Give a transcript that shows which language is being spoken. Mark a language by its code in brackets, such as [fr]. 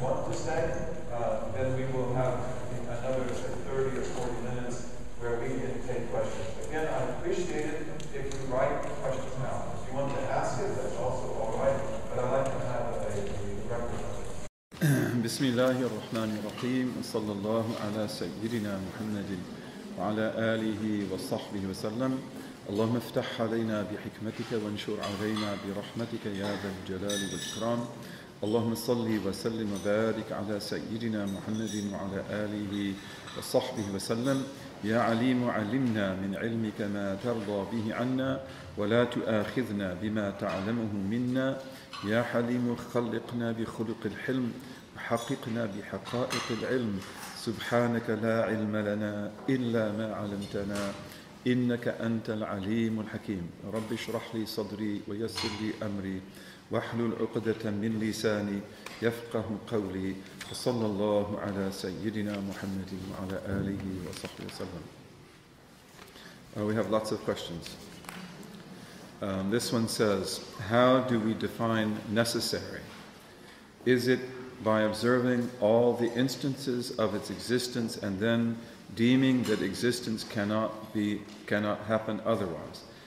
[en] instead, then we will have another 30 or 40 minutes where we can take questions. Again, I appreciate it if you write questions now. If you want to ask it, that's also all right, but I'd like to have a record of it. [ar] بسم الله الرحمن الرحيم وصلى الله على سيدنا محمد وعلى آله وصحبه وسلم اللهم افتح علينا بحكمتك وانشر علينا برحمتك يا ذا الجلال والإكرام اللهم صل وسلم وبارك على سيدنا محمد وعلى آله وصحبه وسلم يا عليم علمنا من علمك ما ترضى به عنا ولا تؤاخذنا بما تعلمه منا يا حليم خلقنا بخلق الحلم حققنا بحقائق العلم سبحانك لا علم لنا إلا ما علمتنا إنك أنت العليم الحكيم رب اشرح لي صدري ويسر لي أمري واحلل عقدة من لساني يفقه قولي صلى الله على سيدنا محمد وعلى آله وصحبه وسلم. [en] We have lots of questions. This one says, how do we define necessary? Is it by observing all the instances of its existence and then deeming that existence cannot happen otherwise?